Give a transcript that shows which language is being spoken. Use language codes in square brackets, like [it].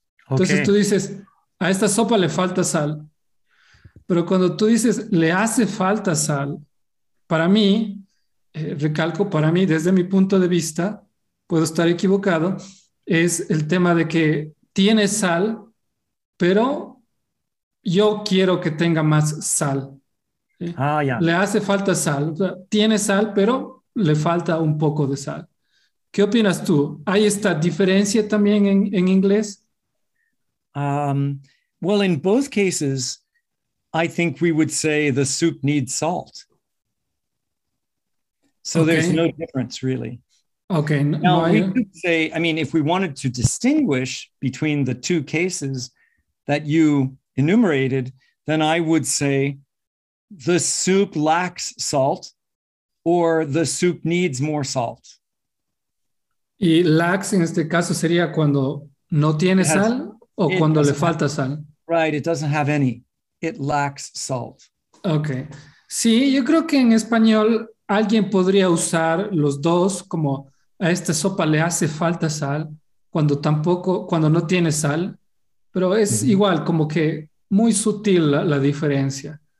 [es] Entonces tú dices, a esta sopa le falta sal. Pero cuando tú dices, le hace falta sal, para mí, recalco, para mí, desde mi punto de vista, puedo estar equivocado, es el tema de que tiene sal, pero yo quiero que tenga más sal. Le hace falta sal. O sea, tiene sal, pero le falta un poco de sal. ¿Qué opinas tú? ¿Hay esta diferencia también en inglés? [en] Well, in both cases, I think we would say the soup needs salt. So there's no difference, really. Okay. Now, we could say, I mean, if we wanted to distinguish between the two cases that you enumerated, then I would say the soup lacks salt or the soup needs more salt. [es] Y lax en este caso sería cuando no tiene sal o cuando le falta sal. [en] Right, it doesn't have any. It lacks salt. Okay. [es] Sí, yo creo que en español alguien podría usar los dos como a esta sopa le hace falta sal cuando no tiene sal, pero es igual como que muy sutil la diferencia.